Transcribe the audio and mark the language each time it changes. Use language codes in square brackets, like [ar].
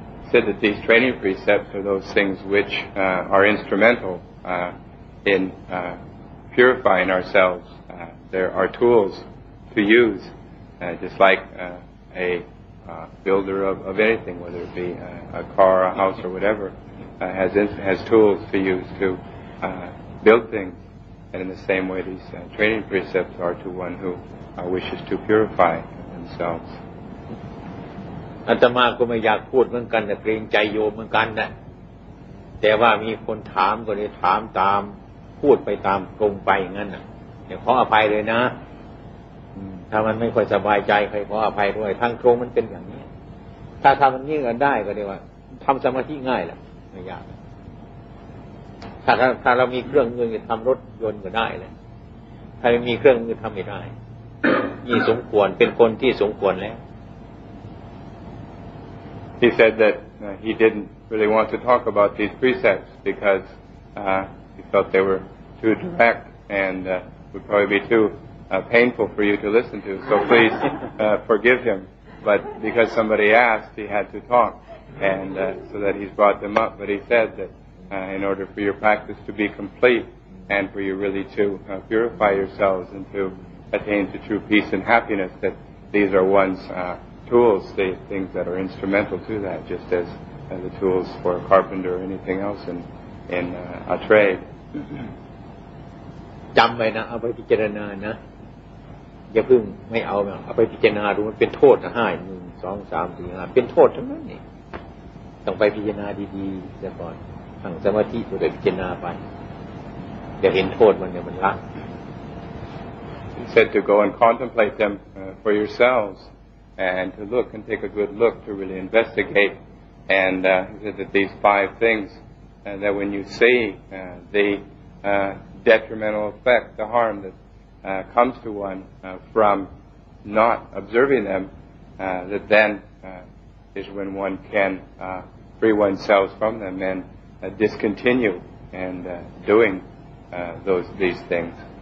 [en] said that these training precepts are those things which are instrumental in purifying ourselves there are toolsTo use, just like a builder of anything, whether it be a car, a house, or whatever, has tools to use to build things. And in the same way, these training precepts are to one who wishes to purify themselves. [th] อาตมาก็ไม่อยากพูดเหมือนกันแต่เกรงใจโยมเหมือนกันนะแต่ว่ามีคนถามก็เลยถามตามพูดไปตามตรงไปงั้นนะเดี๋ยวขออภัยเลยนะถ้ามันไม่ค่อยสบายใจใครขออภัยด้วยทางโครงมันเป็นอย่างนี้ถ้าทำมันนี่ก็ได้ก็เรียกว่าทำสมาธิง่ายแหละไม่ยากถ้าเรามีเครื่องมือจะทำรถยนต์ก็ได้เลยถ้าไม่มีเครื่องมือทำไม่ได้ยี่สมควรเป็นคนที่สมควรแล้ว [en] He said that he didn't really want to talk about these precepts because he felt they were too direct and would probably be tooPainful for you to listen to, so please forgive him. But because somebody asked, he had to talk, and so that he's brought them up. But he said that in order for your practice to be complete, and for you really to purify yourselves and to attain to true peace and happiness, that these are one's tools, the things that are instrumental to that, just as the tools for a carpenter or anything else in a trade. [th] จำไว้นะ เอาไปพิจารณานะอย่าเพิ่งไม่เอาเอาไปพิจารณาดูมันเป็นโทษนะห้าหนึ่งสองสามสี่ห้าเป็นโทษทั้งนั้นนี่ต้องไปพิจารณาดีๆเสียก่อนฝั่งสมาธิตัวไปพิจารณาไปเดี๋ยวเห็นโทษมันเดี๋ยวมันละ [en] He said to go and contemplate them for yourselves and to look and take a good look to really investigate and he said that these five things that when you see the detrimental effect the harm thatcomes to one from not observing them that then is when one can free oneself from them and discontinue and doing these things